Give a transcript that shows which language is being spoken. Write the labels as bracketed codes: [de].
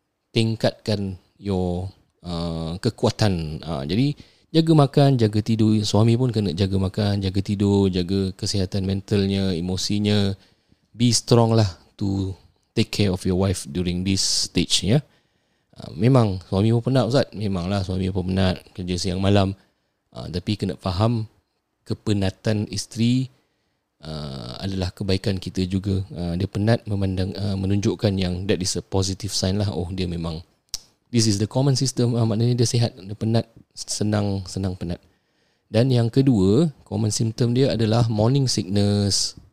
[ms] Tingkatkan your kekuatan. Jadi jaga makan, jaga tidur. Suami pun kena jaga makan, jaga tidur, jaga kesihatan mentalnya, emosinya. [en] Be strong lah to take care of your wife during this stage, ya. [ms] Memang suami pun penat, Ustaz. Memanglah suami pun penat, kerja siang malam. Tapi kena faham kepenatan isteri adalah kebaikan kita juga. Dia penat memandang, menunjukkan yang [en] that is a positive sign [ms] lah. Oh, dia memang, [en] this is the common system. [ms] Maknanya dia sihat. Dia penat, senang penat. Dan yang kedua, common symptom dia adalah morning sickness.